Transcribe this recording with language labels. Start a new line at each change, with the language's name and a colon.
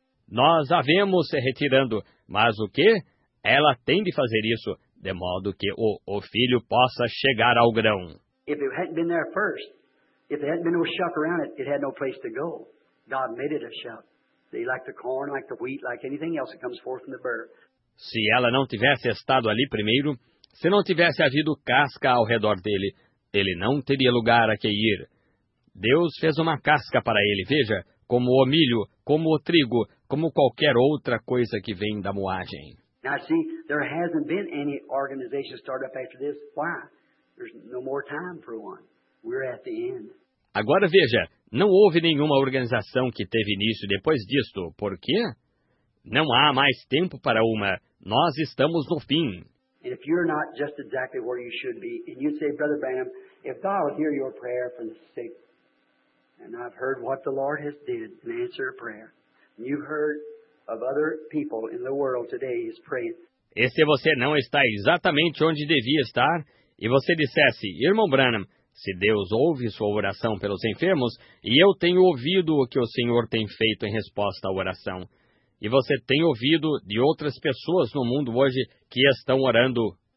Portuguese: Nós a vemos se retirando, mas o que? Ela tem de fazer isso, de modo que o filho possa chegar ao grão.
English: If it hadn't been there first, if there hadn't been no shuck around it, it had no place to go. God made it a shuck. See, like the corn, like the wheat, like anything else that comes forth from the burr.
Portuguese: Se ela não tivesse estado ali primeiro, se não tivesse havido casca ao redor dele, ele não teria lugar a que ir. Deus fez uma casca para ele, veja, como o milho, como o trigo, como qualquer outra coisa que vem da moagem.
English: Now, see, there hasn't been any organization started up after this. Why? There's no more time for one. We're at the end.
Portuguese: Agora veja, não houve nenhuma organização que teve início depois disto. Por quê? Não há mais tempo para uma. Nós estamos no fim.
English: And if you're not just exactly where you should be, and you say, Brother Branham, if God will hear your prayer from the sick, and I've heard what the Lord has did in answer to prayer, and you've heard of other people in the world today is praying.
Portuguese: E se você não está exatamente onde devia estar, e você dissesse, Irmão Branham, se Deus ouve sua oração pelos enfermos, e eu tenho ouvido o que o Senhor tem feito em resposta à oração, e você tem ouvido de outras pessoas no mundo hoje que estão orando.